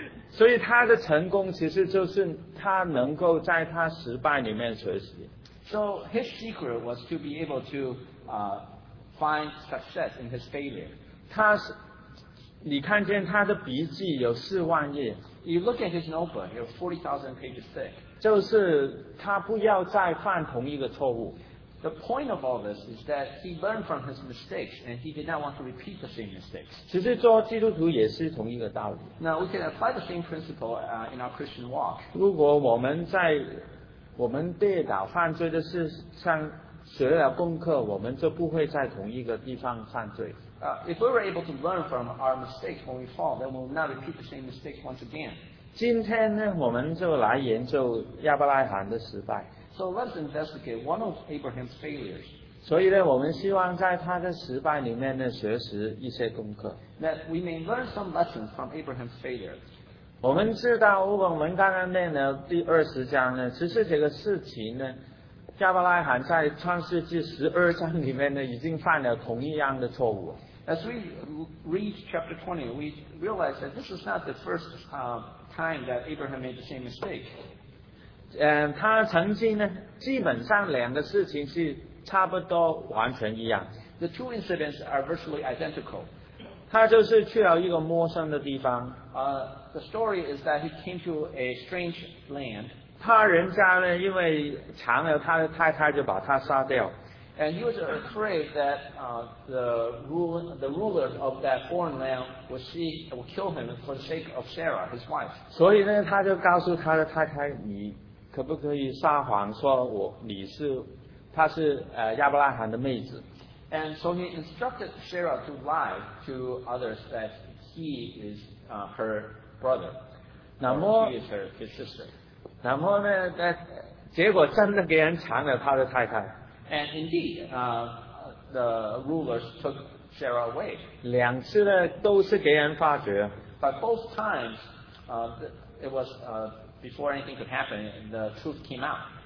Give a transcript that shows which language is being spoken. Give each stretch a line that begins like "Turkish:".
Chinese: 所以他的成功其实就是他能够在他失败里面学习。
English: So his secret was to be able to find success in his failure.
Chinese: 你看见他的笔记有40000页。
English: You look at his notebook, you have 40,000 pages thick.
Chinese: 就是他不要再犯同一个错误。
English: The point of all this is that he learned from his mistakes and he did not want to repeat the same mistakes.
Chinese: 其实做基督徒也是同一个道理。
English: Now we can apply the same principle in our Christian walk.
Chinese: 如果我们跌倒犯罪的事上学了功课，我们就不会在同一个地方犯罪。
English: If we were able to learn from our mistakes when we fall, then we will not repeat the same mistakes once again.
Chinese: 今天呢，我们就来研究亚伯拉罕的失败。
English: So let's investigate one of Abraham's failures.
Chinese: 所以呢，我们希望在他的失败里面呢，学习一些功课。
English: That we may learn some lessons from Abraham's failure.
Chinese: 我们知道，如果我们刚刚念了第20章呢，其实这个事情呢，亚伯拉罕在创世纪12章里面呢，已经犯了同一样的错误。
English: As we read chapter 20, we realize that this is not the first time that Abraham made the same mistake.
Chinese: 他曾经呢，基本上两个事情是差不多完全一样。
English: The two incidents are virtually identical.
Chinese: 他就是去了一个陌生的地方。
English: The story is that he came to a strange land.
Chinese: 他人家呢，因为抢了他的太太，就把他杀掉。
English: And he was afraid that the ruler of that foreign land would kill him for the sake of Sarah, his wife.
Chinese: 所以呢，他就告诉他的太太，你可不可以撒谎说我你是他是亚伯拉罕的妹子。
English: And so he instructed Sarah to lie to others that he is her brother.
Chinese: 那么
English: he is his sister.
Chinese: 那么呢，结果真的给人抢了他的太太。
English: And indeed, the rulers took Sarah away.
Chinese: 两次呢都是给人发觉。
English: But both times, it was before anything could happen, the truth came out.